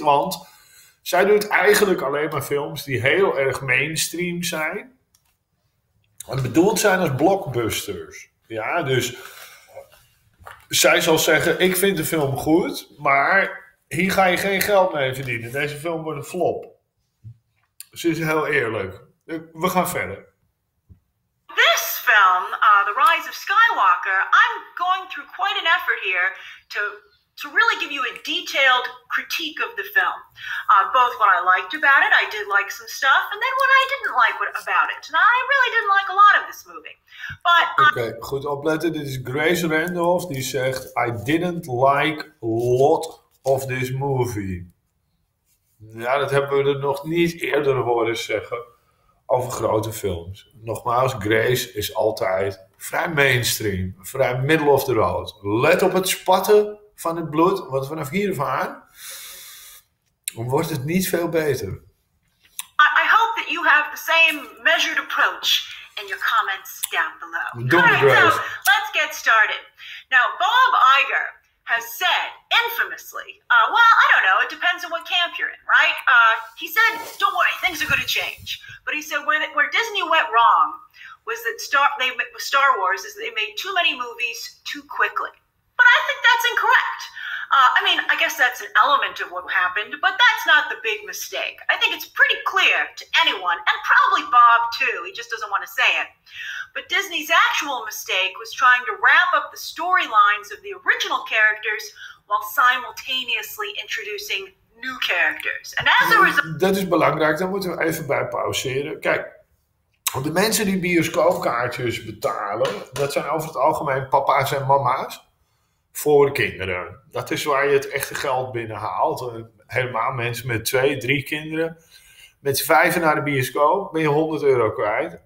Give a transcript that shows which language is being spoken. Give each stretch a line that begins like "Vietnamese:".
Dutch: Want zij doet eigenlijk alleen maar films die heel erg mainstream zijn. En bedoeld zijn als blockbusters. Ja, dus... Zij zal zeggen, ik vind de film goed, maar hier ga je geen geld mee verdienen. Deze film wordt een flop. Ze is heel eerlijk. We gaan verder.
English: This film, The Rise of Skywalker, I'm going through quite an effort here to really give you a detailed critique of the film. Both what I liked about it, I did like some stuff, and then what I didn't like about it. And I really didn't like a lot of this movie.
Dutch: Oké, goed opletten. Dit is Grace Randolph die zegt,
English: I didn't like a lot of this movie.
Dutch: Ja, dat hebben we er nog niet eerder horen zeggen over grote films. Nogmaals, Grace is altijd vrij mainstream, vrij
English: middle of the road.
Dutch: Let op het spatten van het bloed, want vanaf hier af aan wordt het niet veel beter.
English: I hope that you have the same measured approach in your comments down below. Don't all right, so let's get started. Now, Bob Iger has said infamously, I don't know, it depends on what camp you're in, right? He said, don't worry, things are going to change. But he said where Disney went wrong was that Star Wars is that they made too many movies too quickly. But I think that's incorrect. I guess that's an element of what happened, but that's not the big mistake. I think it's pretty clear to anyone, and probably Bob too, he just doesn't want to say it. But Disney's actual mistake was trying to wrap up the storylines of the original characters while simultaneously introducing new characters. And as a result...
Dutch: Dat is belangrijk, dan moeten we even bij pauzeren. Kijk, de mensen die bioscoopkaartjes betalen, dat zijn over het algemeen papa's en mama's. Voor kinderen. Dat is waar je het echte geld binnenhaalt. Helemaal mensen met 2, 3 kinderen. Met 5 naar de bioscoop ben je 100 euro kwijt.